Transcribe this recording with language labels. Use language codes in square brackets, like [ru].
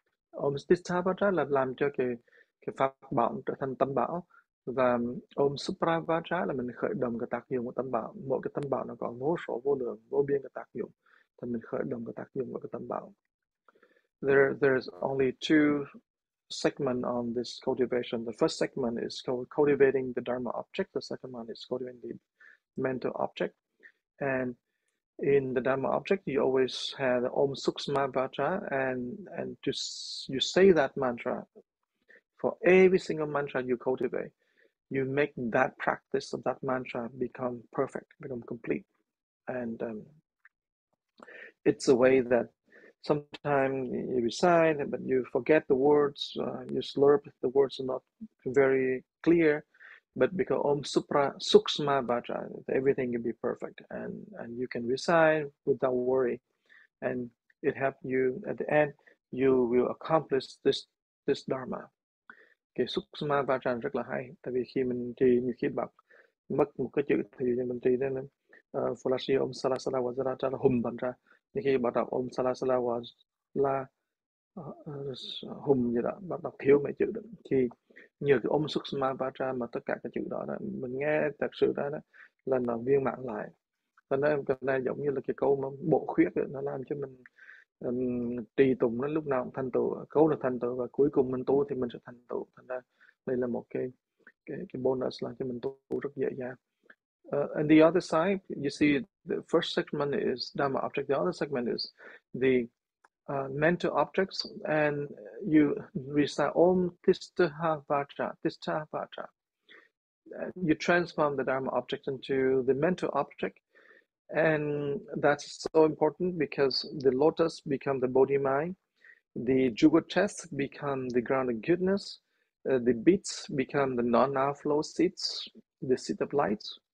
[vi] Ôm Tista Vajra là làm cho cái pháp bảo trở thành tâm bảo. Và ôm Supra Vajra là mình khởi động cái tác dụng của tâm bảo. Mỗi cái tâm bảo nó có vô số vô lượng, vô biên cái tác dụng. Thì mình khởi động cái tác dụng của cái tâm bảo. [en] There's only two segment on this cultivation. The first segment is called cultivating the Dharma object. The second one is cultivating the mental object. And in the Dharma object, you always have Om Sukshma Vajra, and you say that mantra. For every single mantra you cultivate, you make that practice of that mantra become perfect, become complete. And it's a way that sometimes you recite, but you forget the words, you slurp, the words are not very clear. But because Om Supra Sukshma Vajra, everything can be perfect, and you can recite without worry, and it helps you at the end. You will accomplish this dharma. [vi] Sukshma Vajra rất là hay, tại vì khi mình trì nhiều khi bật mất một cái chữ thì mình trì nên là Phu La Si [sa] Om Sala Sala Vajra Hùng [vi] thành ra. Nhưng khi bắt đầu [sa] Om Sala Sala Vajra Hùng [vi] gì đó, bắt đầu thiếu mấy chữ đó. Thì nhờ cái Om Sukshma Vajra mà tất cả các chữ đó, mình nghe thật sự đó, là nó viên mãn lại. Cho nên cái này giống như là cái câu mà bổ khuyết đó, nó làm cho mình trì tụng nó lúc nào cũng thành tựu, câu là thành tựu, và cuối cùng mình tu thì mình sẽ thành tựu. Thành ra đây là một cái bonus là cho mình tu rất dễ dàng. [en] And the other side, you see, the first segment is Dharma object, the other segment is the mental objects, and you recite Om Tisthaha Vajra, Tisthaha Vajra. You transform the Dharma object into the mental object, and that's so important because the lotus become the body mind, the jewel chest become the ground of goodness, the beads become the non-outflow seeds, the seat of light.